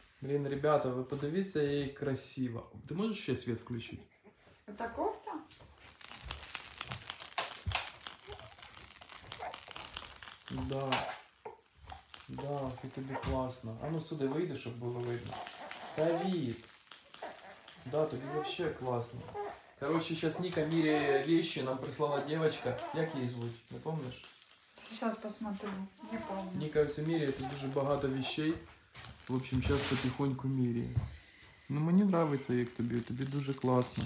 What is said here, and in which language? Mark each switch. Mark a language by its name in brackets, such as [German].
[Ukrainian] Блін, ребята, ви подивіться, як красиво. Ти можеш ще світ включити? Це кофта? Да. Да, і тобі класно. А ну сюди вийди, щоб було видно. Давид! Да, тобі вообще класно. [Russian] Короче, сейчас Ника міряє вещи, нам прислала девочка. [Ukrainian] Як її звуть? Не помниш? [Russian] Сейчас посмотрю, не помню. Ника все міряє, тут дуже багато вещей. В общем, сейчас потихоньку міряє. [Ukrainian] Ну мені нравиться, як тобі, тобі дуже класно.